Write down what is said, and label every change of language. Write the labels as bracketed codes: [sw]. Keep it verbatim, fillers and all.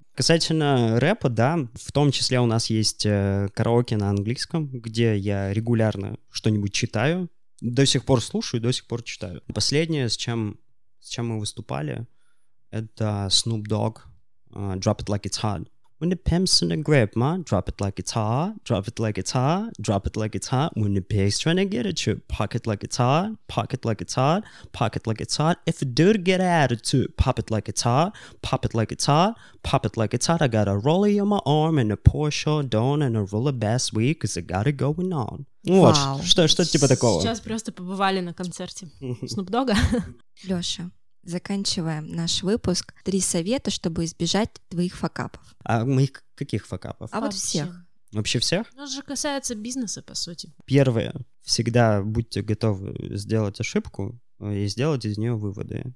[ru] Касательно рэпа, да, в том числе у нас есть караоке на английском, где я регулярно что-нибудь читаю, до сих пор слушаю, до сих пор читаю. Последнее, с чем, с чем мы выступали, это Snoop Dogg, uh, Drop It Like It's Hot. [en] When the pimp's in the grip, man, drop it like it's hot, drop it like it's hot, drop it like it's hot. When the pig's trying to get at you, pocket like it's hot, pocket like it's hot, pocket like it's hot. If a dude get an attitude, pop it like it's hot, pop it like it's hot, pop it like it's hot. I got a rollie on my arm and a Porsche Dawn and a roller bass week, cause I got it going on. [ru] Вот, что, что типа такого. Сейчас просто побывали на концерте Snoop Dogg. Лёша, заканчиваем наш выпуск. Три совета, чтобы избежать твоих факапов. А моих каких факапов? А, а вот всех. Вообще всех? Ну, это же касается бизнеса, по сути. Первое. Всегда будьте готовы сделать ошибку и сделать из нее выводы.